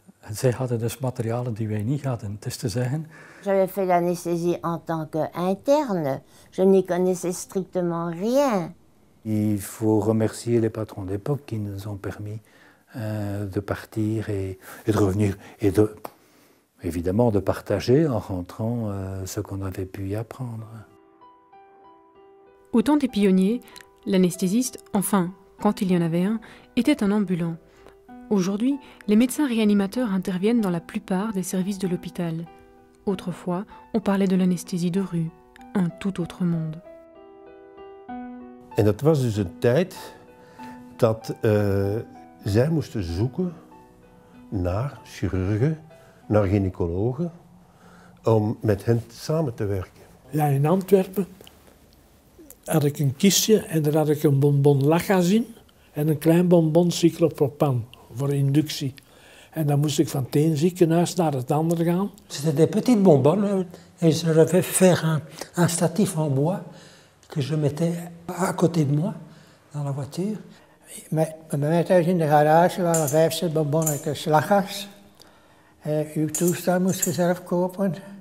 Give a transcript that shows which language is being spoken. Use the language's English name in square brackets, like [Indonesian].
[Dutch] Zij hadden dus materialen die wij niet hadden, het is te zeggen. [French] J'avais fait l'anesthésie en tant qu'interne. Je n'y connaissais strictement rien. Il faut remercier les patrons d'époque qui nous ont permis de partir et de revenir et de, évidemment, de partager en rentrant ce qu'on avait pu y apprendre. Autant des pionniers, l'anesthésiste, enfin, quand il y en avait un, était un ambulant. Aujourd'hui, les médecins réanimateurs interviennent dans la plupart des services de l'hôpital. Autrefois, on parlait de l'anesthésie de rue, un tout autre monde. [Dutch] En dat was dus een tijd dat zij moesten zoeken naar chirurgen, naar gynaecologen, om met hen samen te werken. Ja, in Antwerpen had ik een kistje en daar had ik een bonbon lachazine en een klein bonbon cyclopropan voor inductie. En dan moest ik van het een ziekenhuis naar het andere gaan. [French] C'était des petites bonbons et je devais faire un statif en bois que je mettais à côté de moi, dans la voiture. [Dutch] Bij mij thuis in de garage waren 5-6 bonbonnetjes lachgas. Uw toestel moest je zelf kopen.